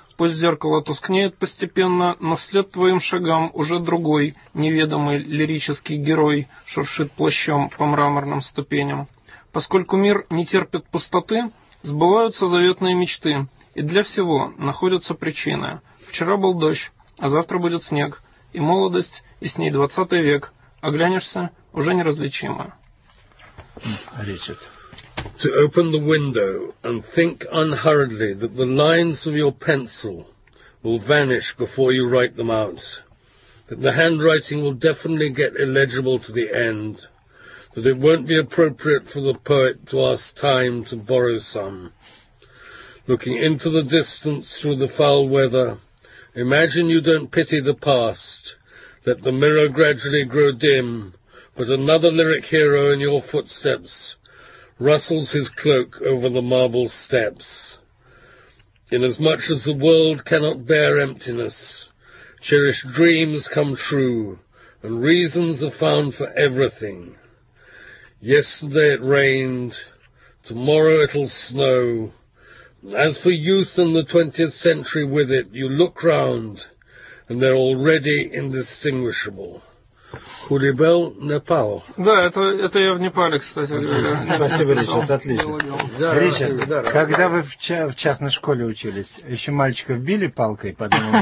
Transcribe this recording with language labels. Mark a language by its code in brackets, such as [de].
[ru] Пусть зеркало тускнеет постепенно, но вслед твоим шагам уже другой, неведомый лирический герой шуршит плащом по мраморным ступеням. Поскольку мир не терпит пустоты, сбываются заветные мечты, и для всего находятся причины. Вчера был дождь, а завтра будет снег, и молодость, и с ней 20 век. Оглянешься, уже неразличимо. Ричард. [en] To open the window and think unhurriedly that the lines of your pencil will vanish before you write them out, that the handwriting will definitely get illegible to the end, that it won't be appropriate for the poet to ask time to borrow some. Looking into the distance through the foul weather, imagine you don't pity the past. Let the mirror gradually grow dim, but another lyric hero in your footsteps rustles his cloak over the marble steps. Inasmuch as the world cannot bear emptiness, cherished dreams come true, and reasons are found for everything. Yesterday it rained, tomorrow it'll snow. As for youth and the 20th century with it, you look round, and they're already indistinguishable. [ru] Курибел, Непал. Да, это я в Непале, кстати говоря. Спасибо, Ричард, отлично. Ричард, когда вы в частной школе учились, еще мальчиков били палкой по дому?